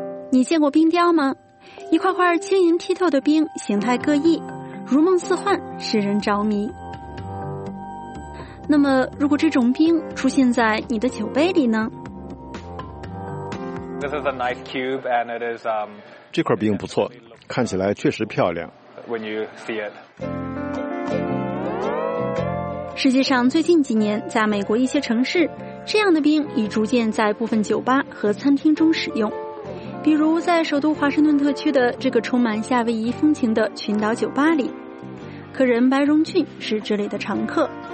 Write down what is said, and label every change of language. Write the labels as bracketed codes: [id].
[zh] 你见过冰雕吗？一块块晶莹剔透的冰，形态各异，如梦似幻，使人着迷。那么如果这种冰出现在你的酒杯里呢？ [en] This is a nice cube and it is, [zh] 这块冰不错，看起来确实漂亮。 [en] When you see it. [zh] 实际上最近几年在美国一些城市，这样的冰已逐渐在部分酒吧和餐厅中使用，比如在首都华盛顿特区的这个充满夏威夷风情的群岛酒吧里，客人白荣俊是这里的常客。